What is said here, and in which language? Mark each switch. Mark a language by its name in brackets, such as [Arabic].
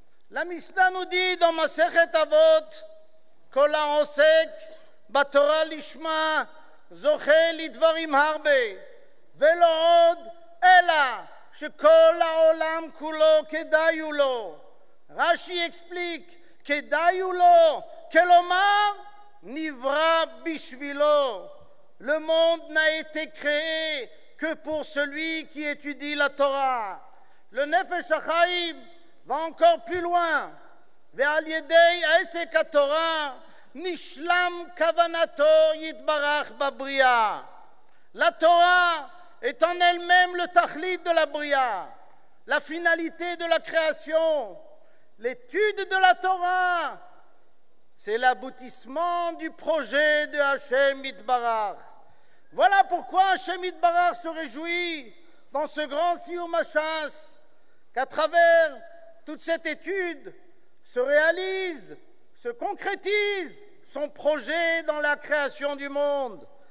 [French] La Mishnah nous dit dans Masechet Avot [Hebrew] Kola Osek Batora Lishma Zoche Lidvarim Harbe Velo Od Ela שכל העולם כולו כדאי הוא לו. רשי אקספליק, כדאי הוא לו, כלומר, נברא בשבילו. [French] Le monde n'a été créé que pour celui qui étudie la Torah. Le Nefesh HaChaim va encore plus loin. [Hebrew] ועל ידי עסק התורה, נשלם כוונתו יתברך בבריאה. [French] La Torah est en elle-même le tachlit de la bria, la finalité de la création. L'étude de la Torah, c'est l'aboutissement du projet de Hashem Yitbarach. Voilà pourquoi Hashem Yitbarach se réjouit dans ce grand Siyum HaShas, qu'à travers toute cette étude se réalise, se concrétise son projet dans la création du monde.